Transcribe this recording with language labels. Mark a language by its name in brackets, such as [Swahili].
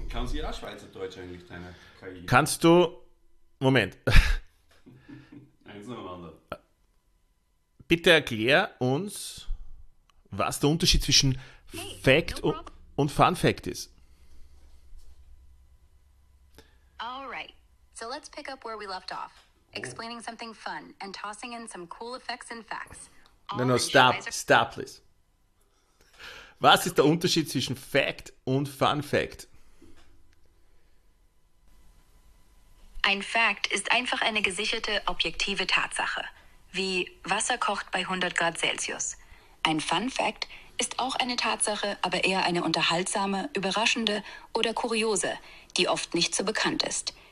[German] Kann sie auch Schweizerdeutsch eigentlich, deine KI? Kannst du, Moment. Eins noch einander. Bitte erklär uns, was der Unterschied zwischen Fact und Fun Fact ist. [English] Alright, so let's pick up where we left off. Explaining something fun and tossing in some cool effects and facts. No, no, stop, stop, please. [German] Was ist der Unterschied zwischen Fact und Fun Fact? Ein Fact ist einfach eine gesicherte, objektive Tatsache. Wie Wasser kocht bei 100 Grad Celsius. Ein Fun Fact ist auch eine Tatsache, aber eher eine unterhaltsame, überraschende oder kuriose, die oft nicht so bekannt ist.